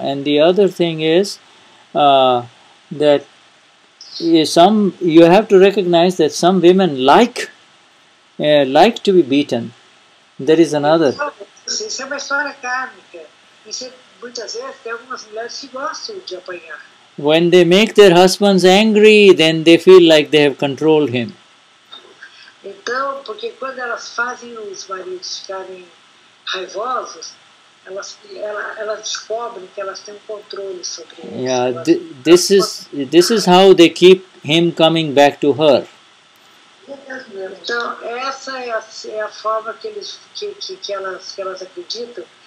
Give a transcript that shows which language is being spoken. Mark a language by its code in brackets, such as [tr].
[en] And the other thing is that some, you have to recognize that some women like to be beaten. There is another. [pt] Isso é uma história kármica. Muitas vezes tem algumas mulheres que gostam de apanhar. [en] When they make their husbands angry, then they feel like they have controlled him. [pt] Então, porque quando elas fazem os maridos ficarem raivosos, elas descobrem que elas têm um controle sobre ele. [en] Yeah, this is how they keep him coming back to her. [pt] Então, essa é a forma que eles que elas acreditam.